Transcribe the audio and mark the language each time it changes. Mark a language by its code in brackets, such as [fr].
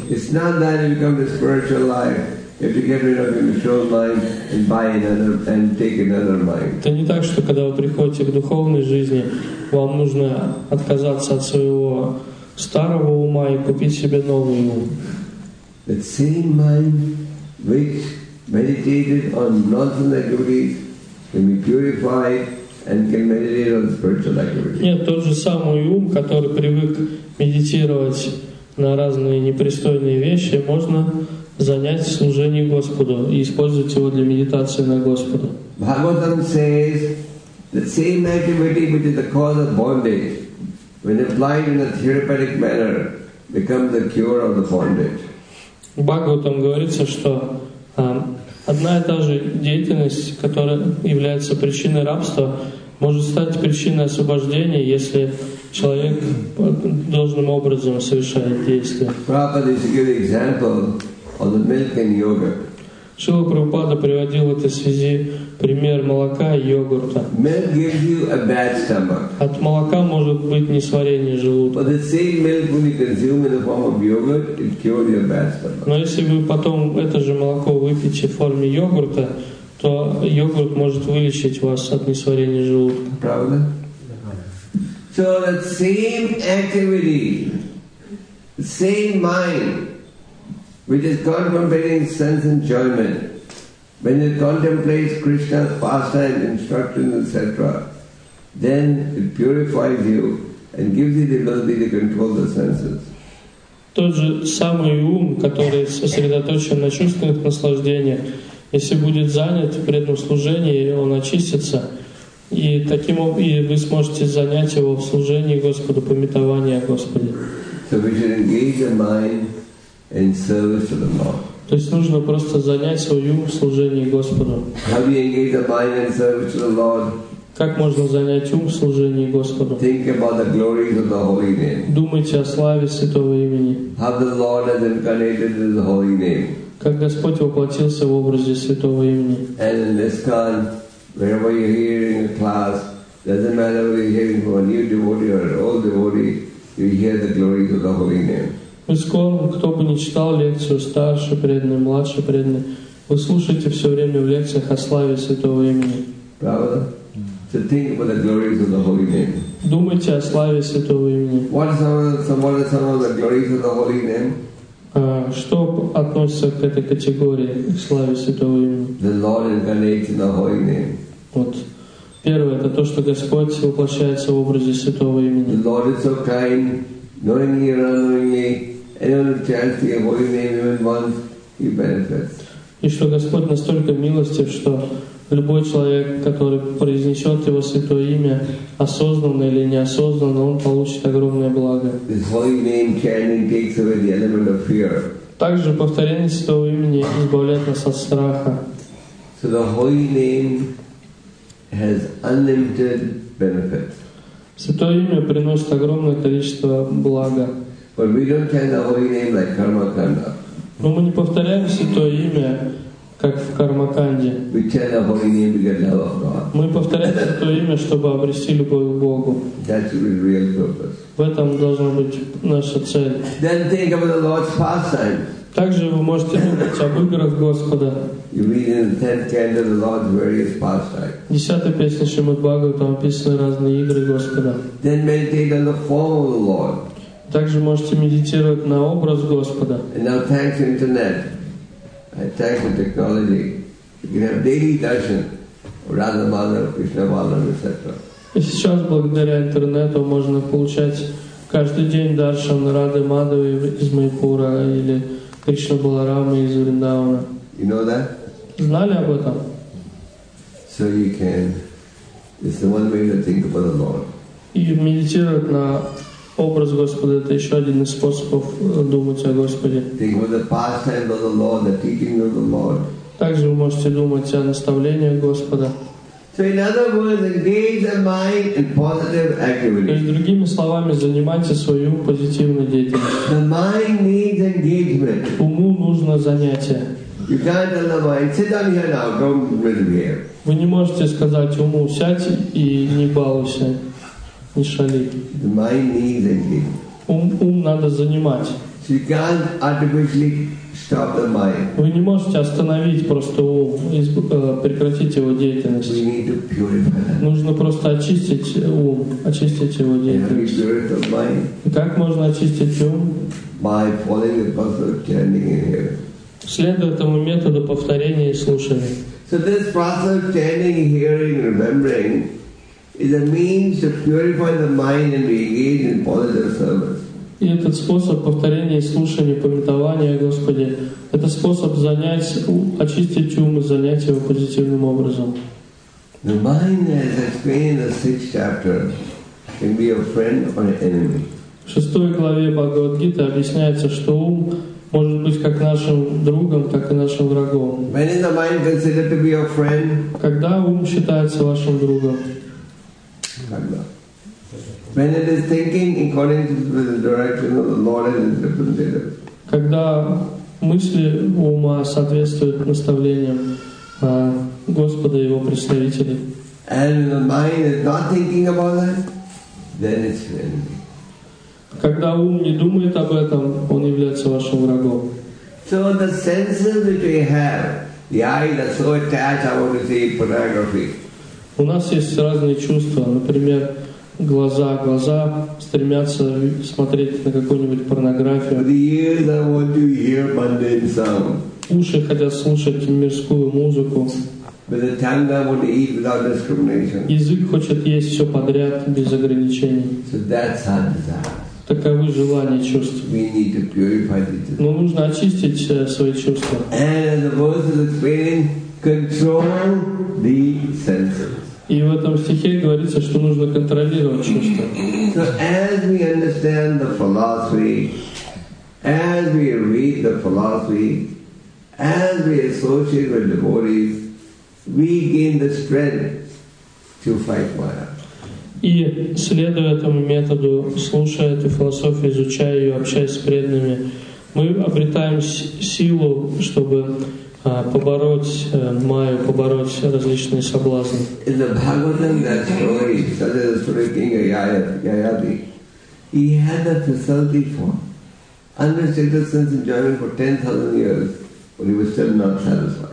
[en] It's not that you become the spiritual life if you get rid of your material mind and buy another and take another mind. [ru] Это не так, что когда вы приходите к духовной жизни, вам нужно отказаться от своего старого ума и купить себе новый ум. [en] The same mind which meditated on nonsense activities can be purified and can meditate on spiritual activities. [ru] Нет, тот же самый ум, который привык медитировать на разные непристойные вещи, можно занять служение Господу и использовать его для медитации на Господа. [en] Bhagavatam says the same activity which is the cause of bondage, when applied in a therapeutic manner, becomes the cure of the bondage. [ru] В Бхагаватам говорится, что одна и та же деятельность, которая является причиной рабства, может стать причиной освобождения, если человек должным образом совершает действие. [en] Prabhupada used to give the example of the milk and yogurt. [ru] Шрила Прабхупада приводил в этой связи пример молока и йогурта. [en] Milk gives you a bad stomach. [ru] От молока может быть несварение желудка. [en] But the same milk when you consume in the form of yogurt, it cures your bad stomach. [ru] Но если вы потом это же молоко выпьете в форме йогурта, то йогурт может вылечить вас от несварения желудка. Правда? [en] So the same activity, the same mind, which is contemplating sense enjoyment, when it contemplates Krishna's pastime, instructions, etc., then it purifies you and gives you the ability to control the senses. [ru] Тот же самый ум, который сосредоточен на чувственных наслаждениях, если будет занят при этом служении, он очистится, и таким образом вы сможете занять его в служении Господу, памятование о Господе. [en] So we should engage the mind in service to the Lord. [ru] То есть нужно просто занять свой ум в служении Господу. [en] How do you engage the mind in service to the Lord? [ru] Как можно занять ум в служении Господу? [en] Think about the glories of the holy name. [ru] Думайте о славе святого имени. [en] How the Lord has incarnated in the holy name. [ru] Как Господь воплотился в образе святого имени. [en] And in this con, wherever you're hearing a class, doesn't matter whether you're hearing from a new devotee or an old devotee, you hear the glories of the holy name. [ru] Искон, кто бы ни читал лекцию, старший преданный, младший преданный, вы слушаете все время в лекциях о славе святого имени. Правда? [en] So think about the glories of the holy name. [ru] Думайте о славе святого имени. [en] What are some of the glories of the holy name? [ru] Что относится к этой категории славы святого имени? [en] The Lord incarnates in the holy name. [ru] Вот. Первое, это то, что Господь воплощается в образе святого имени. [en] The Lord is so kind. Knowingly or unknowingly, anyone who chants the holy name even once, he benefits. [ru] И что Господь настолько милостив, что любой человек, который произнесет его святое имя, осознанно или неосознанно, он получит огромное благо. [en] This holy name chanting takes away the element of fear. [ru] Также повторение святого имени избавляет нас от страха. [en] So the holy name has unlimited benefits. [ru] Святое имя приносит огромное количество блага. [en] But we don't chant the holy name like Karmakanda. [ru] Но мы не повторяем святое имя, как в Кармаканде. [en] We chant the holy name to get love of God. [ru] Мы повторяем святое имя, чтобы обрести любовь к Богу. [en] That's the real purpose. [ru] В этом должна быть наша цель. [en] Then think of the Lord's pastime. [ru] Также вы можете думать об играх Господа. [en] You read in the 10th canto the Lord's various pastimes. [ru] В 10-й песне Шримад Бхагаватам описаны разные игры Господа. [en] Then meditate on the form of the Lord. [ru] Также можете медитировать на образ Господа. [en] And now thanks to internet, and thanks to technology, you can have daily darshan of Radha Madhava, Krishna Madhava, etc. [ru] И сейчас благодаря интернету можно получать каждый день даршан Рады Мадхавы из Майпура или Кришна Баларамы из Вриндавана. [en] You know that? [ru] Знали об этом? [en] So you can. It's the one way to think about the Lord. [ru] И медитировать на образ Господа — это еще один из способов думать о Господе. [en] Think about the pastimes of the Lord, the teachings of the Lord. [ru] Также вы можете думать о наставлениях Господа. [en] So in other words, engage the mind in positive activity. [ru] То есть другими словами, занимайте свою позитивную деятельность. [en] The mind needs engagement. [ru] Уму нужно занятие. [en] You can't tell the mind, sit down here now, come with me here. [ru] Вы не можете сказать уму, сядь и не балуйся, не шали. [en] The mind needs engagement. [ru] Ум надо занимать. [en] So you can't artificially stop the mind. [ru] Вы не можете остановить просто ум, прекратить его деятельность. [en] We need to purify that. [ru] Нужно просто очистить ум, очистить его деятельность. [en] And purify the mind. [ru] И как можно очистить ум? [en] By following the path of chanting and hearing. [ru] Следуя этому методу повторения и слушания. [en] So this path of chanting, hearing, remembering is a means to purify the mind and engage in positive service. [ru] И этот способ повторения и слушания, памятования о Господе, это способ занять, очистить ум и занять его позитивным образом. [en] The mind, as explained in the sixth chapter, can be a friend or an enemy. [ru] В шестой главе Бхагавад-гиты объясняется, что ум может быть как нашим другом, так и нашим врагом. [en] When is the mind considered to be a friend? [ru] Когда ум считается вашим другом? Когда? [en] When it is thinking according to the direction of the Lord and His representative. [ru] Когда мысли ума соответствуют наставлениям Господа и Его представителей. [en] And when the mind is not thinking about that, then it's an enemy. [ru] Когда ум не думает об этом, он является вашим врагом. [en] So the senses which we have, the eyes are so attached, I want to see pornography. [ru] У нас есть разные чувства, например, глаза стремятся смотреть на какую-нибудь порнографию. [en] The ears that want to hear mundane sound. [ru] Уши хотят слушать мирскую музыку. [en] But the tongue that want to eat without discrimination. [ru] Язык хочет есть все подряд без ограничений. [en] So that's our desire. [ru] Таковы желания чувств. [en] We need to purify the desire. [ru] Но нужно очистить свои чувства. [en] And as the verse is explaining, control the senses. [ru] И в этом стихе говорится, что нужно контролировать чувства. [en] So as we understand the philosophy, as we read the philosophy, as we associate with devotees, we gain the strength to fight fire. [ru] И следуя этому методу, слушая эту философию, изучая ее, общаясь с преданными, мы обретаем силу, чтобы побороть майю, побороть различные соблазны. [en] In the Bhagavatam, that story, such as the story of King Yayati, he had the facility for unrestricted sense enjoyment for 10,000 years, but he was still not satisfied.